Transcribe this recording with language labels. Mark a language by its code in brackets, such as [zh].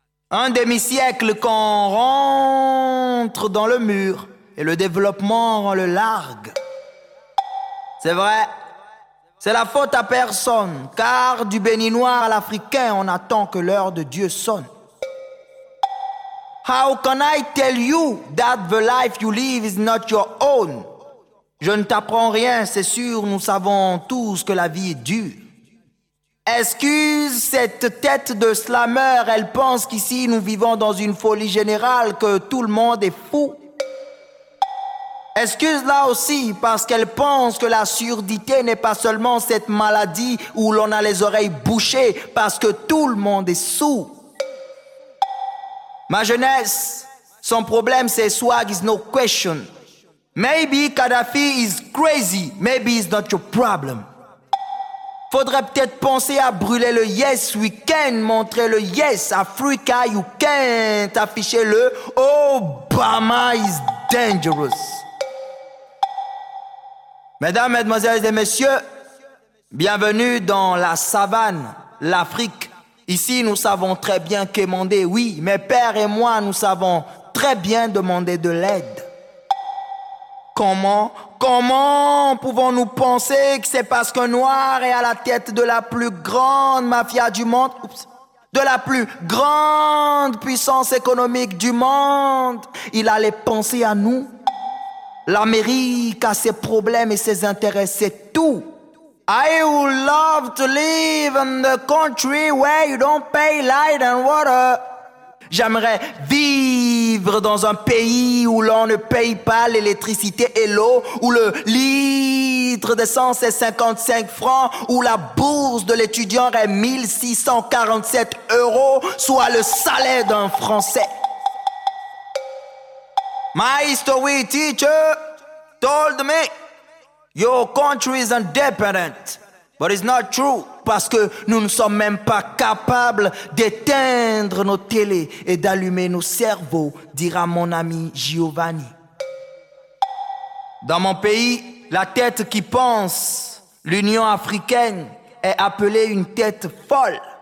[fr] Un demi-siècle qu'on rentre dans le mur et le développement rend le largue. C'est vrai, c'est la faute à personne, car du béninois à l'africain, on attend que l'heure de Dieu sonne. [en] How can I tell you that the life you live is not your own? [fr] Je ne t'apprends rien, c'est sûr, nous savons tous que la vie est dure. Excuse cette tête de slammer, elle pense qu'ici nous vivons dans une folie générale, que tout le monde est fou. Excuse-la aussi, parce qu'elle pense que la surdité n'est pas seulement cette maladie où l'on a les oreilles bouchées, parce que tout le monde est sous. Ma jeunesse, son problème c'est [en] swag is no question. Maybe Gaddafi is crazy, maybe it's not your problem. [fr] Faudrait peut-être penser à brûler le [en] yes weekend, [fr] montrer le [en] yes Africa you can't, [fr] afficher le [en] Obama is dangerous. [fr] Mesdames, mesdemoiselles et messieurs, bienvenue dans la savane, l'Afrique. Ici nous savons très bien qu'émander, oui, mes pères et moi nous savons très bien demander de l'aide. Comment pouvons-nous penser que c'est parce qu'un noir est à la tête de la plus grande mafia du monde, de la plus grande puissance économique du monde, il allait penser à nous? L'Amérique a ses problèmes et ses intérêts, c'est tout. [en] I would love to live in the country where you don't pay light and water. [fr] J'aimerais vivre dans un pays où l'on ne paye pas l'électricité et l'eau, où le litre d'essence est 55 francs, où la bourse de l'étudiant est 1647 euros, soit le salaire d'un Français. [en] My history teacher told me, your country is independent, but it's not true. [fr] Parce que nous ne sommes même pas capables d'éteindre nos télés et d'allumer nos cerveaux, dira mon ami Giovanni. Dans mon pays, la tête qui pense, l'Union africaine, est appelée une tête folle.